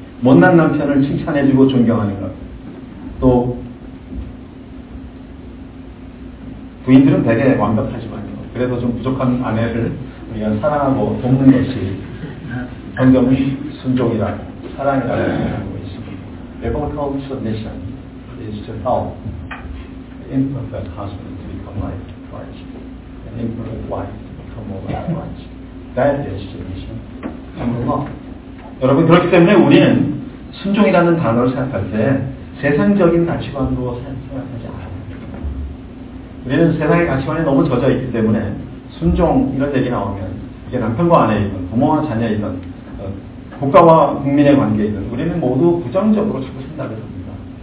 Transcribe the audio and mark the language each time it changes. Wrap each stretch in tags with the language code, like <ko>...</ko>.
<ko>못난 남편을 칭찬해주고 존경하는 것. 또 부인들은 되게 완벽하지만요. 그래도 좀 부족한 아내를 우리가 사랑하고 돕는 것이 성경의 순종이라 사랑이라고 생각하고 있습니다.</ko> <en>Biblical submission is to help the imperfect husband to become like Christ and imperfect wife to become more like Christ. That is submission and love.</en> <ko>여러분 그렇기 때문에 우리는 순종이라는 단어를 생각할 때 세상적인 가치관으로 생각하지 않습니다. 우리는 세상의 가치관에 너무 젖어있기 때문에 순종 이런 얘기 나오면 이게 남편과 아내이든 부모와 자녀이든 국가와 국민의 관계이든 우리는 모두 부정적으로 자꾸 생각을 합니다.</ko>